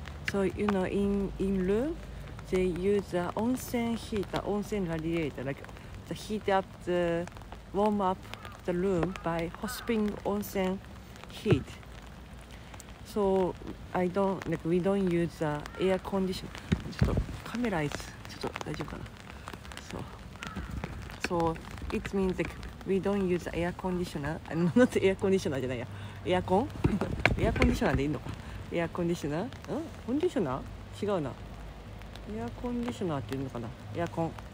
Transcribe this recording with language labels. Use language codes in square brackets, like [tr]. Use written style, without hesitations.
[en] So you know, in room, they use the onsen heater, onsen radiator, like the heat up the... warm up the room by hot spring onsen heat. So I don't, like we don't use the air condition. [ja] ちょっとカメラ is, ちょっと大丈夫かな? [en] So it means like we don't use air conditioner. Not air conditioner じゃないや。エアコン?Air conditioner でいいのか?Air conditioner? Conditioner? [ja] 違うな。 Air conditioner っていうのかな?エアコン。